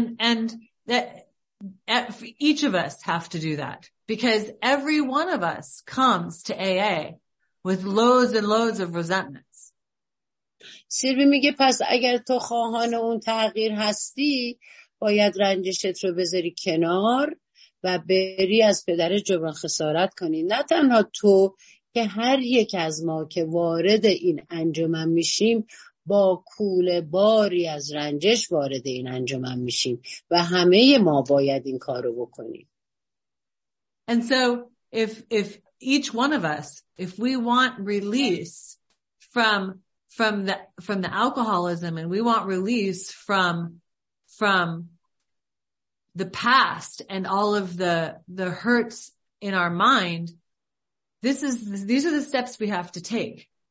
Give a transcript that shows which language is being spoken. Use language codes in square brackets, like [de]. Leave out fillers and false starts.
[en] And that each of us have to do that because every one of us comes to AA with loads and loads of resentment. [fa] سیلوی میگه پس اگر تو خواهان اون تغییر هستی باید رنجشت رو بذاری کنار و بری از پدر جبران خسارت کنی، نه تنها تو که هر یک از ما که وارد این انجمن میشیم با کوله باری از رنجش وارد این انجمن میشیم و همه ما باید این کارو بکنیم. [en] And so if each one of us, if we want release from the alcoholism and we want release from the past and all of the hurts in our mind, these are the steps we have to take.